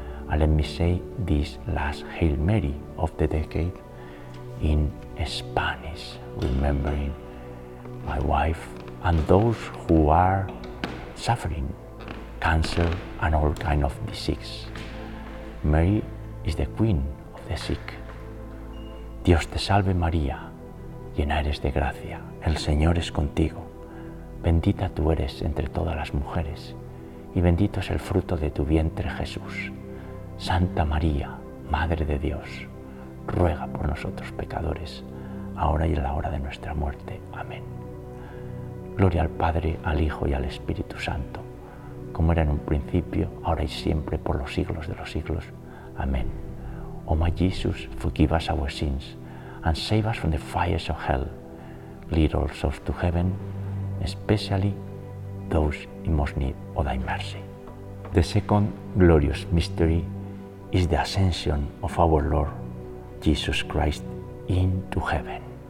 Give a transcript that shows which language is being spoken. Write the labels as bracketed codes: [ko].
[en] And let me say this last Hail Mary of the decade in Spanish, remembering my wife and those who are suffering cancer and all kind of disease. Mary is the queen of the sick. [es] Dios te salve María, llena eres de gracia, el Señor es contigo. Bendita tú eres entre todas las mujeres y bendito es el fruto de tu vientre Jesús. Santa María, Madre de Dios, ruega por nosotros pecadores, ahora y en la hora de nuestra muerte. Amén. Gloria al Padre, al Hijo y al Espíritu Santo, como era en un principio, ahora y siempre, por los siglos de los siglos. Amén. [en] Oh my Jesus, forgive us our sins, and save us from the fires of hell. Lead all souls to heaven, especially those in most need of thy mercy. The second glorious mystery is the ascension of our Lord Jesus Christ into heaven.